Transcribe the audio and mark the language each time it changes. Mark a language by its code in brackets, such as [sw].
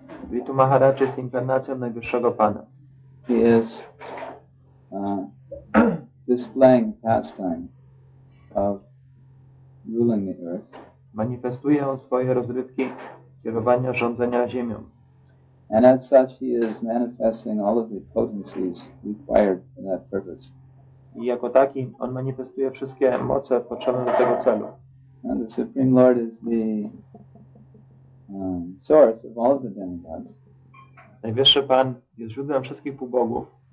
[pl] Pitru Maharaj jest inkarnacją Najwyższego Pana. [en] He is displaying pastime of ruling the earth. [pl] Manifestuje on swoje rozrywki kierowania rządzenia ziemią. [en] And as such he is manifesting all of the potencies required for that purpose. [pl] I jako taki on manifestuje wszystkie moce potrzebne do tego celu. [en] And the Supreme Lord is the source of all of the demigods. [pl] Najwyższy Pan jest źródłem wszystkich półbogów.